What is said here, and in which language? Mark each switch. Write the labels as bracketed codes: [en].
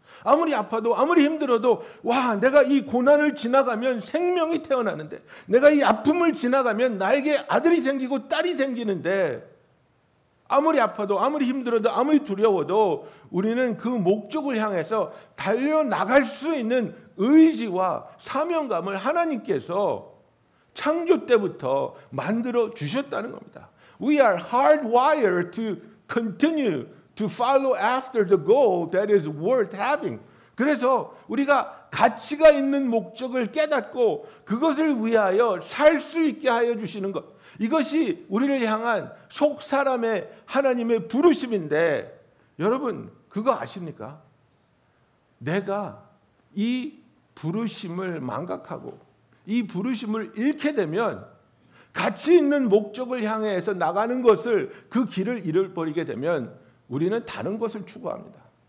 [ko] 아무리 아파도 아무리 힘들어도 와 내가 이 고난을 지나가면 생명이 태어나는데 내가 이 아픔을 지나가면 나에게 아들이 생기고 딸이 생기는데 아무리 아파도 아무리 힘들어도 아무리 두려워도 우리는 그 목적을 향해서 달려나갈 수 있는 의지와 사명감을 하나님께서 창조 때부터 만들어 주셨다는 겁니다. [en] We are hardwired to continue to follow after the goal that is worth having. [ko] 그래서 우리가 가치가 있는 목적을 깨닫고 그것을 위하여 살 수 있게 하여 주시는 것. 이것이 우리를 향한 속사람의 하나님의 부르심인데 여러분 그거 아십니까? 내가 이 부르심을 망각하고 이 부르심을 잃게 되면 가치 있는 목적을 향해서 나가는 것을 그 길을 잃어버리게 되면 우리는 다른 것을 추구합니다.